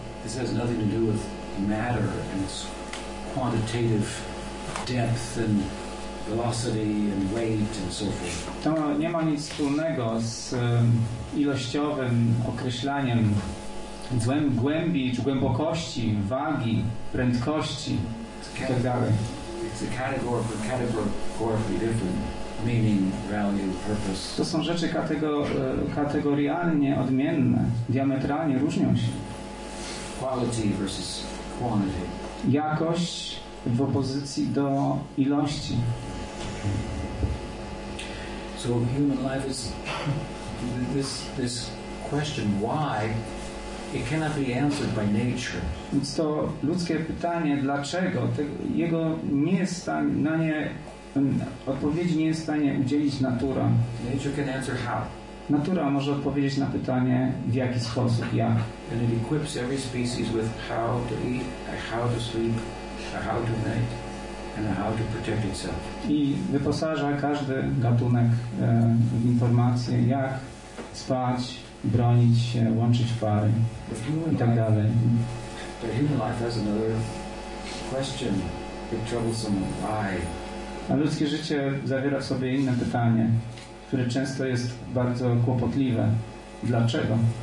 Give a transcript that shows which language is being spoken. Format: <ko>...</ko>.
<en>This has nothing to do with matter and its quantitative depth and velocity and weight and so forth.</en> <pl>To nie ma nic wspólnego z ilościowym określaniem głębi czy głębokości, wagi, prędkości itd.</pl> <en>It's a categorically different. meaning, value, purpose.</en> <pl>To są rzeczy kategorialnie odmienne, diametralnie różnią się.</pl> <en>Quality versus quantity.</en> <pl>Jakość w opozycji do ilości.</pl> <en>So human life is this question why it cannot be answered by nature.</en> <pl>Więc to ludzkie pytanie dlaczego jego nie jest stanie na nie odpowiedzi nie jest w stanie udzielić natura.</pl> <en>Nature can answer how.</en> <pl>Natura może odpowiedzieć na pytanie w jaki sposób, jak.</pl> <en>And it equips every species with how to eat, how to sleep, how to mate, and how to protect itself.</en> <pl>I wyposaża każdy gatunek w informacje, jak spać, bronić się, łączyć pary i tak dalej.</pl> <en>But human life has another question, the troublesome why.</en> <pl>A ludzkie życie zawiera w sobie inne pytanie, które często jest bardzo kłopotliwe. Dlaczego?</pl>